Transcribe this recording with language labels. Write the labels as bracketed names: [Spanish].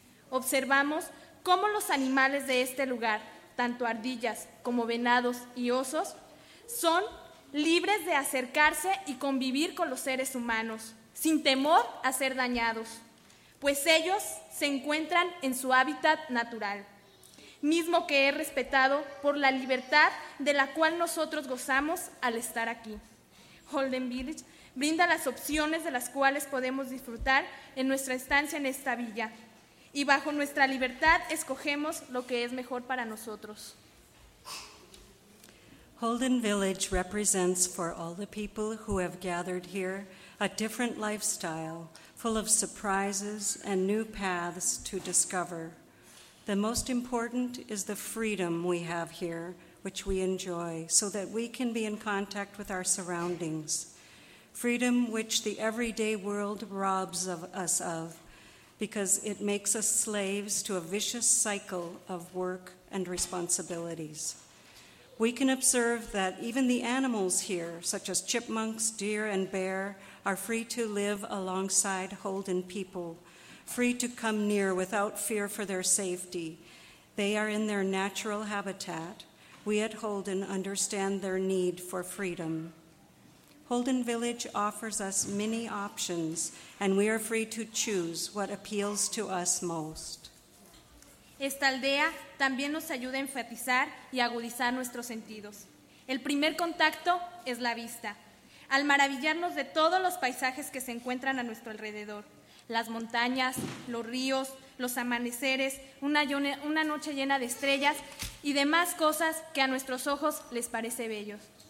[Spanish] Observamos cómo los animales de este lugar, tanto ardillas como venados y osos, son libres de acercarse y convivir con los seres humanos, sin temor a ser dañados, pues ellos se encuentran en su hábitat natural, mismo que es respetado por la libertad de la cual nosotros gozamos al estar aquí. Holden Village brinda las opciones de las cuales podemos disfrutar en nuestra estancia en esta villa, y bajo nuestra libertad escogemos lo que es mejor para nosotros. [English] Holden Village represents for all the people who have gathered here a different lifestyle full of surprises and new paths to discover. The most important is the freedom we have here, which we enjoy, so that we can be in contact with our surroundings. Freedom which the everyday world robs us of, because it makes us slaves to a vicious cycle of work and responsibilities. We can observe that even the animals here, such as chipmunks, deer, and bear, are free to live alongside Holden people, free to come near without fear for their safety. They are in their natural habitat. We at Holden understand their need for freedom. Holden Village offers us many options, and we are free to choose what appeals to us most. [Spanish] Esta aldea también nos ayuda a enfatizar y agudizar nuestros sentidos. El primer contacto es la vista. Al maravillarnos de todos los paisajes que se encuentran a nuestro alrededor, las montañas, los ríos, los amaneceres, una noche llena de estrellas y demás cosas que a nuestros ojos les parece bellos.